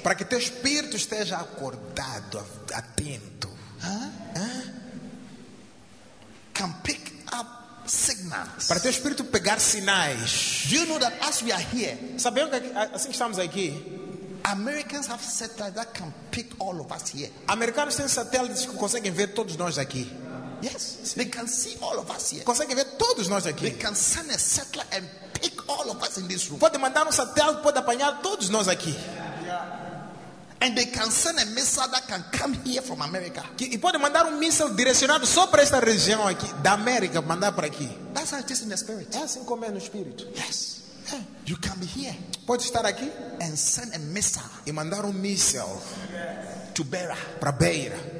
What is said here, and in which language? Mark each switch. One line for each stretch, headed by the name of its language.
Portuguese: Para que teu espírito esteja acordado, atento. Huh? Huh?
English: Can pick up signals.
Portuguese: Para teu espírito pegar sinais.
English: Do you know that as we are here,
Portuguese: sabemos que assim que estamos aqui,
English: Americans have satellites that can pick all of us here.
Portuguese: Americanos têm satélites que conseguem ver todos nós aqui.
English: Yes, sim. They can see all of us here.
Portuguese: Conseguem ver todos nós aqui.
English: They can send a satellite and pick all of us in this room.
Portuguese: Pode mandar um satélite, pode apanhar todos nós aqui.
English: And they can send a missile that can come here from America.
Portuguese: E pode mandar um míssil direcionado só para esta região aqui da América, mandar para aqui.
English: That's how it is in the spirit.
Portuguese: É assim como é no espírito.
English: Yes. You can be here.
Portuguese: Pode estar aqui
English: and send a missile.
Portuguese: E mandar um míssil
English: to Beira.
Portuguese: Para Beira.